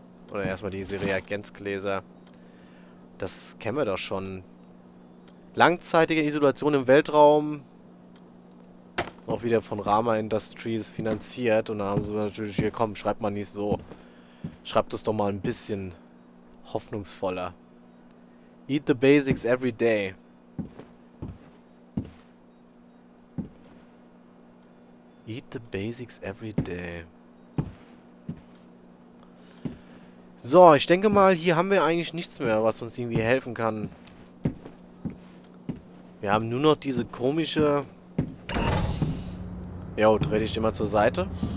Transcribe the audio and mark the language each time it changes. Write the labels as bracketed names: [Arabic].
[German] Oder erstmal diese Reagenzgläser. Das kennen wir doch schon. Langzeitige Isolation im Weltraum. Auch wieder von Rama Industries finanziert. Und da haben sie natürlich hier, komm, schreibt mal nicht so. Schreibt es doch mal ein bisschen hoffnungsvoller. [English] Eat the basics every day. Eat the basics every day. [German] So, ich denke mal, hier haben wir eigentlich nichts mehr, was uns irgendwie helfen kann. Wir haben nur noch diese komische... Jo, dreh dich immer zur Seite.